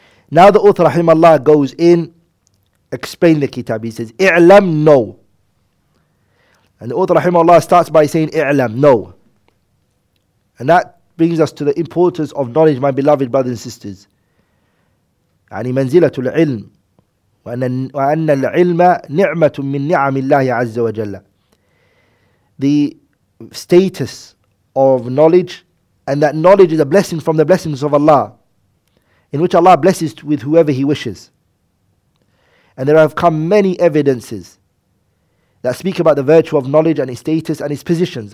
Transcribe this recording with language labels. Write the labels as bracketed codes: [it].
[en] Now the author rahimahullah goes in, explain the kitab. He says, I'lam, no. And the author rahimahullah starts by saying, I'lam, no. And that brings us to the importance of knowledge, my beloved brothers and sisters. [ar] يعني منزلة العلم وأن العلم نعمة من نعم الله عز وجل. [en] The status of knowledge, and that knowledge is a blessing from the blessings of Allah, in which Allah blesses with whoever He wishes. And there have come many evidences that speak about the virtue of knowledge and its status and its positions.